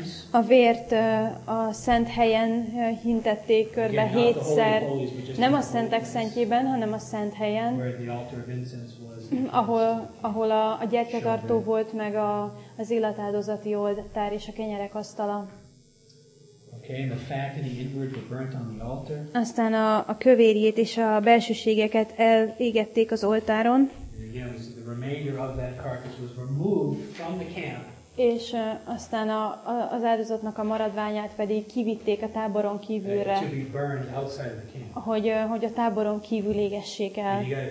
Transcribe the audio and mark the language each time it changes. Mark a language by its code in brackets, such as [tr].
[hu] A vért a szent helyen hintették körbe [en] again, [hu] hétszer. [en] Holy holies, [hu] nem a szentek szentjében, hanem a szent helyen. [en] Where the altar of incense was, [hu] ahol a gyertyatartó volt, meg az illatáldozati oltár és a kenyerek asztala. [en] Okay, and the fat and the inward were burnt on the altar. [hu] Aztán a kövérjét és a belsőségeket elégették az oltáron. [en] The remainder of that carcass was removed from the camp. [hu] És aztán az áldozatnak a maradványát pedig kivitték a táboron kívülre. [en] To be burned outside of the camp. [hu] Hogy a táboron kívül égessék el.